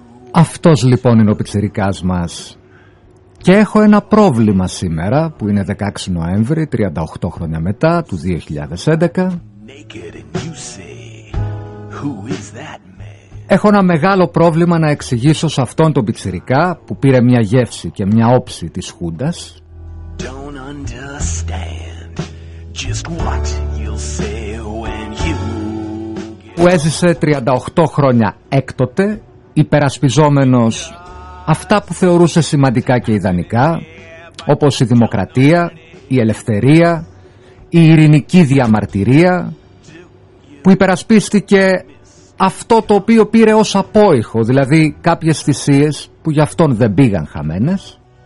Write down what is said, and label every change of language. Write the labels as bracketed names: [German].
[Greek] Αυτός λοιπόν είναι ο πιτσιρικάς μας. Και έχω ένα πρόβλημα σήμερα, που είναι 16 Νοέμβρη, 38 χρόνια μετά, του 2011. Έχω ένα μεγάλο πρόβλημα να εξηγήσω σε αυτόν τον πιτσιρικά, που πήρε μια γεύση και μια όψη της Χούντας. [English] Don't understand just what you'll say when you get... [Greek] που έζησε 38 χρόνια έκτοτε, υπερασπιζόμενος αυτά που θεωρούσε σημαντικά και ιδανικά, όπως η δημοκρατία, η ελευθερία, η ειρηνική διαμαρτυρία, που υπερασπίστηκε αυτό το οποίο πήρε ως απόϊχο, δηλαδή κάποιες θυσίες που γι' αυτόν δεν πήγαν χαμένες.